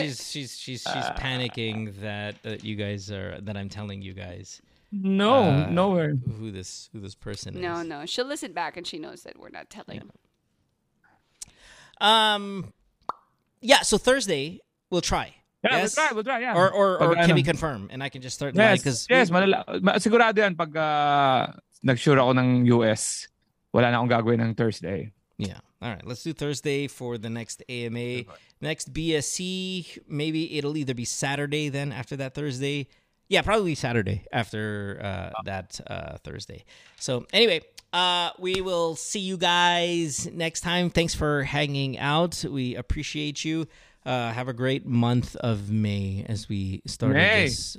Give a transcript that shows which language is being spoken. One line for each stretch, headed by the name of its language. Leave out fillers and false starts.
English: She's panicking that you guys are, that I'm telling you guys. No, nowhere. Who this person is. No. She'll listen back and she knows that we're not telling. Yeah. So Thursday... We'll try. Yeah, yes? we'll try, yeah. Or can we confirm? And I can just start the mic.
Filipino: Yes, sigurado yan pag nag-sure ako ng US, wala na akong gagawin ng Thursday.
English: Yeah. All right, let's do Thursday for the next AMA. Okay. Next BSC, maybe it'll either be Saturday then after that Thursday. Yeah, probably Saturday after Thursday. So anyway, we will see you guys next time. Thanks for hanging out. We appreciate you. Have a great month of May as we start this.